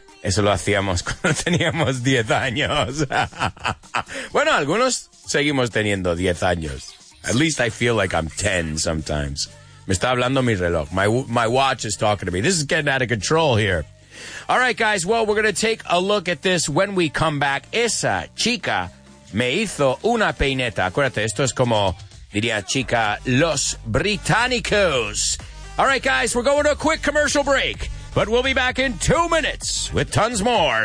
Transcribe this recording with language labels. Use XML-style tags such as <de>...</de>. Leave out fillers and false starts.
<es>Eso lo hacíamos cuando teníamos 10 años. Bueno, algunos seguimos teniendo 10 años.</es> <en>At least I feel like I'm 10 sometimes.</en> <es>Me está hablando mi reloj.</es> <en>My watch is talking to me. This is getting out of control here. All right, guys. Well, we're going to take a look at this when we come back.</en> <es>Esa chica me hizo una peineta. Acuérdate, esto es como, diría chica, los británicos.</es> <en>All right, guys. We're going to a quick commercial break. But we'll be back in 2 minutes with tons more.</en>